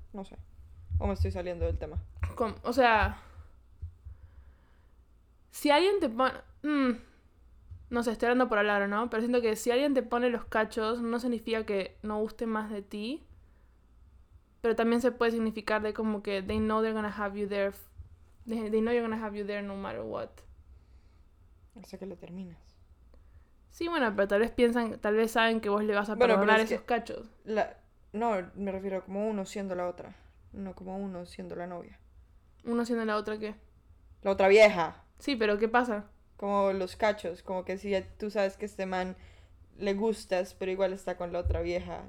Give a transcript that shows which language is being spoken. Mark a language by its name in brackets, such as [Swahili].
[Spanish] No sé. ¿O me estoy saliendo del tema? O sea... Si alguien te pone... No sé, estoy hablando por hablar, ¿no? Pero siento que si alguien te pone los cachos, no significa que no guste más de ti. Pero también se puede significar de como que [English] they know they're gonna have you there. They know you're gonna have you there no matter what. [Spanish] O sea que lo terminas. Sí, bueno, pero tal vez piensan, tal vez saben que vos le vas a perdonar esos cachos. No, me refiero a como uno siendo la otra. No como uno siendo la novia. ¿Uno siendo la otra qué? La otra vieja. Sí, pero ¿qué pasa? Como los cachos, como que si ya tú sabes que este man le gustas, pero igual está con la otra vieja.